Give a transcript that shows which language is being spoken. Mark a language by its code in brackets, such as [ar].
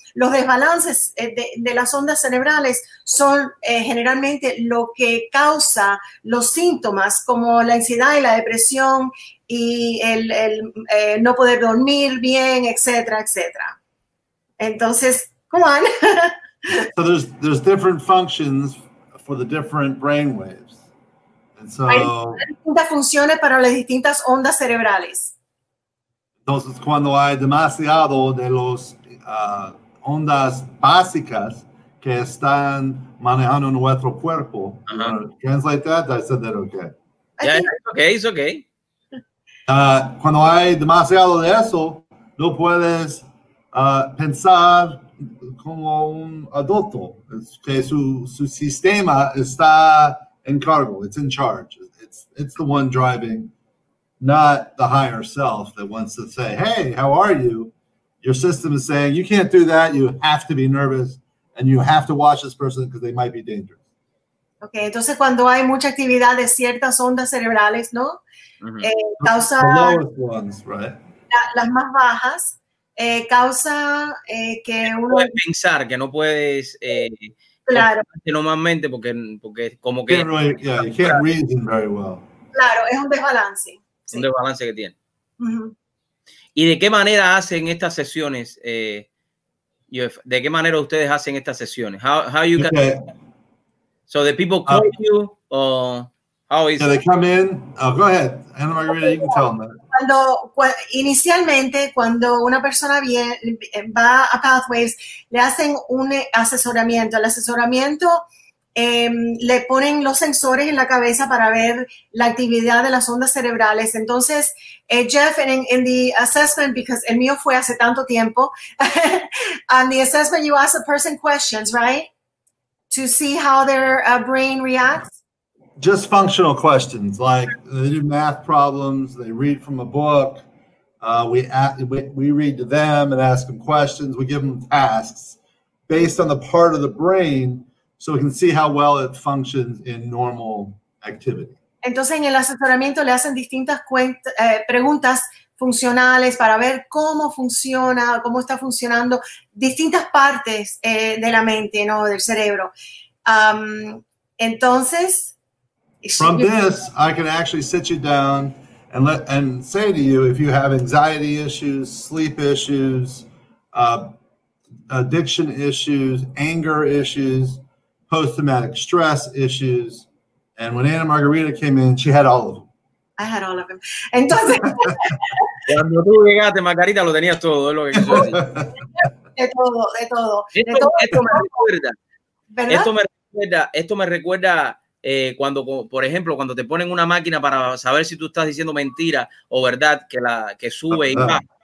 [es] Los desbalances de las ondas cerebrales son generalmente lo que causa los síntomas como la ansiedad y la depresión y el no poder dormir bien, etcétera, etcétera. Entonces, [en] come on. So there's different functions for the different brain waves. And so, [es] hay distintas funciones para las distintas ondas cerebrales. Entonces, cuando hay demasiado de los ondas básicas que están manejando nuestro cuerpo. [en] Uh-huh. Translate that, I said that okay. Yeah, it's okay. [es] Cuando hay demasiado de eso, no puedes pensar como un adulto. Es que su sistema está en cargo, [en] it's in charge. It's the one driving, not the higher self that wants to say, hey, how are you? Your system is saying, you can't do that, you have to be nervous, and you have to watch this person because they might be dangerous. [es] Okay, entonces cuando hay mucha actividad de ciertas ondas cerebrales, ¿no? Mm-hmm. Causa [en] the lowest ones, right? [es] Las más bajas, causa que uno... Puedes pensar que no puedes... claro. Normalmente porque como que... [en] You can't reason very well. [es] Claro, es un desbalance. Sí. Un desbalance que tiene. Mm-hmm. ¿Y de qué manera hacen estas sesiones? ¿De qué manera ustedes hacen estas sesiones? [en] How you can? Okay. So the people call you, or how is? Yeah, they come in. Oh, go ahead, Ana Margarita. You can tell them. That. [es] Cuando una persona va a Pathways, le hacen un asesoramiento. El asesoramiento le ponen los sensores en la cabeza para ver la actividad de las ondas cerebrales. Entonces, [en] Jeff, in the assessment, because [es] el mío fue hace tanto tiempo, [en] on the assessment, you ask the person questions, right? To see how their brain reacts? Just functional questions, like they do math problems, they read from a book, we read to them and ask them questions, we give them tasks based on the part of the brain so we can see how well it functions in normal activity. [es] Entonces, en el asesoramiento le hacen distintas preguntas funcionales para ver cómo funciona, cómo está funcionando distintas partes de la mente, ¿no? Del cerebro. Entonces, [en] from this, I can actually sit you down and say to you if you have anxiety issues, sleep issues, addiction issues, anger issues, post-traumatic stress issues. And when Ana Margarita came in, she had all of them. I had all of them. [es] Entonces, cuando tú llegaste, Margarita, lo tenías todo, es lo que quiero decir. Esto me recuerda cuando, por ejemplo, cuando te ponen una máquina para saber si tú estás diciendo mentira o verdad, que sube y baja.